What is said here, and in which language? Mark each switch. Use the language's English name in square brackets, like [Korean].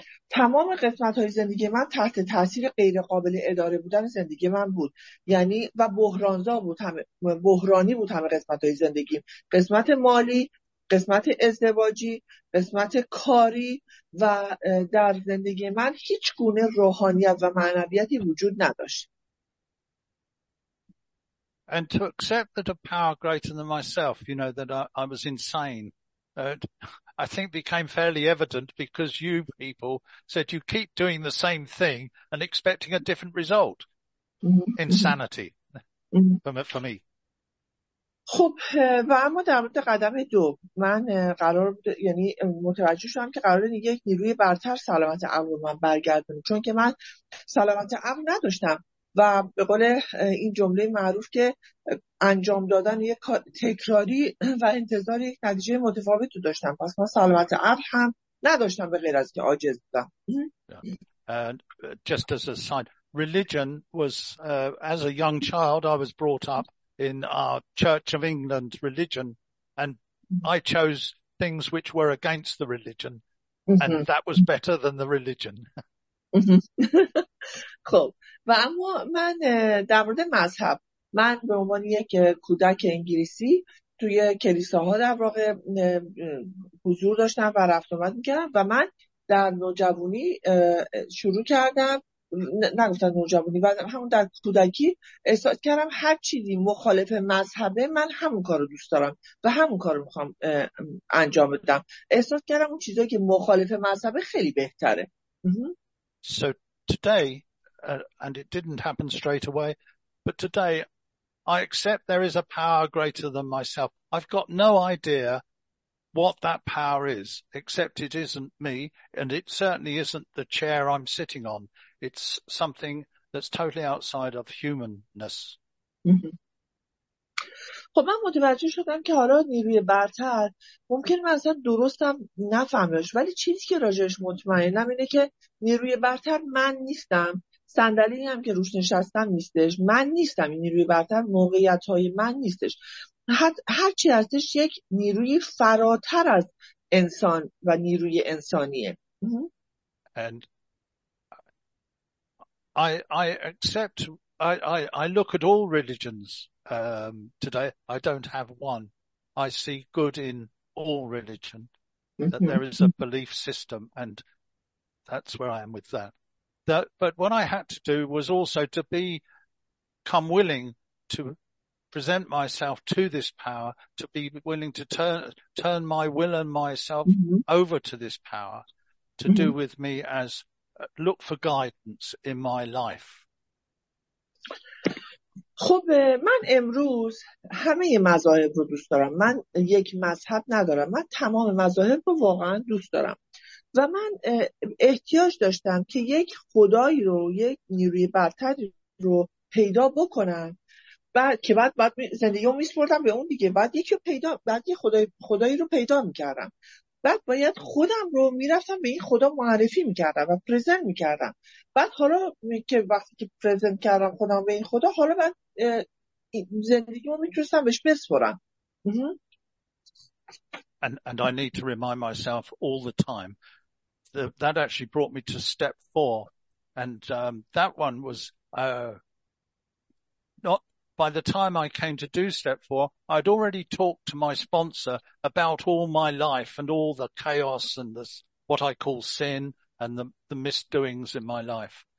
[Persian] تمام قسمت‌های زندگی من تحت تاثیر غیر قابل اداره بودن زندگی من بود یعنی و بحران‌زا بود بحرانی بود همه قسمت‌های زندگیم قسمت مالی قسمت ازدواجی، قسمت کاری و در زندگی من هیچ گونه روحانیت و معنویتی وجود نداشت. [English] And to accept that a power greater than myself, you know, that I was insane, I think became fairly evident because you people said you keep doing the same thing and expecting a different result. Insanity for me. [Persian] خب و اما در مورد قدم دو من قرار بود یعنی متوجه شدم که قرار دیگه یک نیروی برتر سلامت عقل من برگردونه چون که من سلامت عقل نداشتم و به قول این جمله معروف که انجام دادن یک تکراری و انتظار یک نتیجه متفاوت رو داشتم پس من سلامت عقل هم نداشتم به غیر از که عاجز بودم. [English] Just as a side, religion was as a young child I was brought up in our Church of England religion, and I chose things which were against the religion, and that was better than the religion. [Persian] خب و اما من در مورد مذهب من به عنوان یک کودک انگلیسی توی کلیساها در واقع حضور داشتم و رفت آمد می‌کردم و من در نوجوانی شروع کردم نگفتن نوجوانی، و همون در کودکی احساس کردم هر چیزی مخالف مذهبه من همون کارو دوست دارم و همون کارو میخوام انجام بدم. احساس کردم اون چیزایی که مخالف مذهبه خیلی بهتره. [English] So today, and it didn't happen straight away, but today I accept there is a power greater than myself. I've got no idea what that power is, except it isn't me, and it certainly isn't the chair I'm sitting on. It's something that's totally outside of humanness. [Persian] خب من متوجه شدم که حالا نیروی برتر ممکن من اصلا درستم نفهمش، ولی چیزی که راجعش مطمئنم اینه که نیروی برتر من نیستم، صندلی هم که روش نشستم نیستش، من نیستم این نیروی برتر، موقعیت های من نیستش، هر چی هستش یک نیروی فراتر از انسان و نیروی انسانیه. [English] And I accept, I look at all religions today. I don't have one. I see good in all religion, that there is a belief system, and that's where I am with that. But what I had to do was also to become willing to present myself to this power, to be willing to turn my will and myself over to this power, to do with me as look for guidance in my life. [Persian] خب من امروز همه مذاهب رو دوست دارم، من یک مذهب ندارم، من تمام مذاهب رو واقعا دوست دارم و من احتیاج داشتم که یک خدایی رو، یک نیروی برتری رو پیدا بکنم و که بعد زندگیمو می‌سپردم به اون دیگه، بعد یکی رو پیدا، بعد یک خدایی رو پیدا می‌کردم، بعد باید خودم رو میرفتم به این خدا معرفی میکردم و پرزنت میکردم، بعد حالا که وقتی که پرزنت کردم خودم به این خدا، حالا بعد زندگی رو میتونستم بهش بسپرم. [English] And I need to remind myself all the time that actually brought me to step four, and that one was not. By the time I came to do step four, I'd already talked to my sponsor about all my life and all the chaos and the, what I call sin and the misdoings in my life.